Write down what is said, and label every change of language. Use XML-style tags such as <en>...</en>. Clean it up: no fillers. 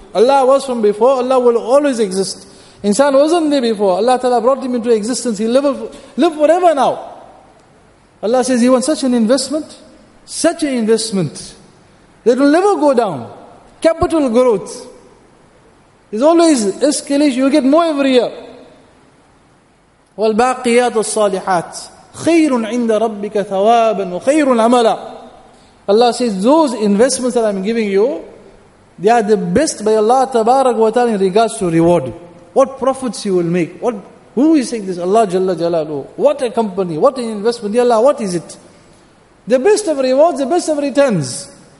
<en>Allah was from before, Allah will always exist. Insan wasn't there before, Allah Ta'ala brought him into existence, he'll live forever now. Allah says, you want such an investment, that will never go down. Capital growth is always escalation, you get more every year.</en> <ar>والباقيات الصالحات خير عند ربك ثوابا وخير عملا.</ar> <en>Allah says, those investments that I'm giving you, they are the best by Allah Tabarak wa Ta'ala in regards to reward. What profits you will make. Who is saying this? Allah Jalla Jalalu. What a company, what an investment. Ya Allah, what is it? The best of rewards, the best of returns.</en>